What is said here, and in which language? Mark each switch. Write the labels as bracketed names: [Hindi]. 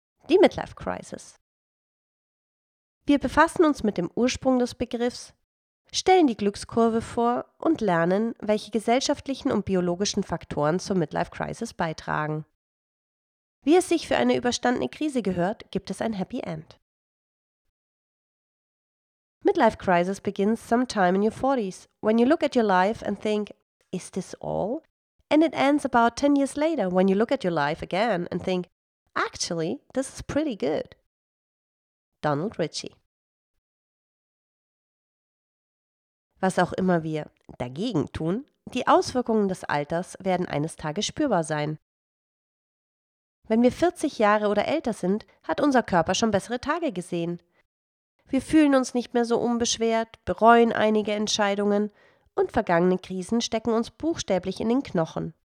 [German] Die Midlife-Crisis. Wir befassen uns mit dem Ursprung des Begriffs, stellen die Glückskurve vor und lernen, welche gesellschaftlichen und biologischen Faktoren zur Midlife-Crisis beitragen. Wie es sich für eine überstandene Krise gehört, gibt es ein Happy End. [English] Midlife crisis begins sometime in your 40s, when you look at your life and think, is this all? And it ends about 10 years later, when you look at your life again and think, actually, this is pretty good. Donald Ritchie. [German] Was auch immer wir dagegen tun, die Auswirkungen des Alters werden eines Tages spürbar sein. Wenn wir 40 Jahre oder älter sind, hat unser Körper schon bessere Tage gesehen. Wir fühlen uns nicht mehr so unbeschwert, bereuen einige Entscheidungen und vergangene Krisen stecken uns buchstäblich in den Knochen.